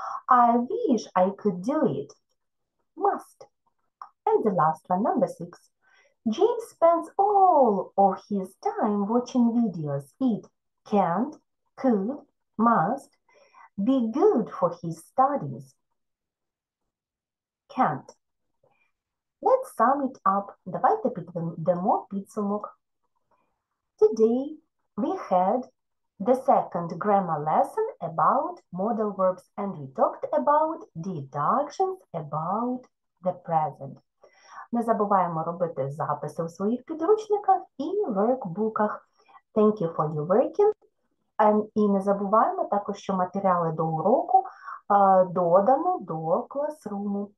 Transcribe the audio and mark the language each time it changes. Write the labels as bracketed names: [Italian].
[English] I wish I could do it. Must. And the last one, number 6. James spends all of his time watching videos. It can't, could, must be good for his studies. Can't. Let's sum it up. [Ukrainian] Давайте підведемо підсумок. [English] Today we had the second grammar lesson about modal verbs and we talked about deductions about the present. [Ukrainian] Не забуваємо робити записи у своїх підручниках і воркбуках. [English] Thank you for your working. [Ukrainian] І не забуваємо також, що матеріали до уроку додано до класруму.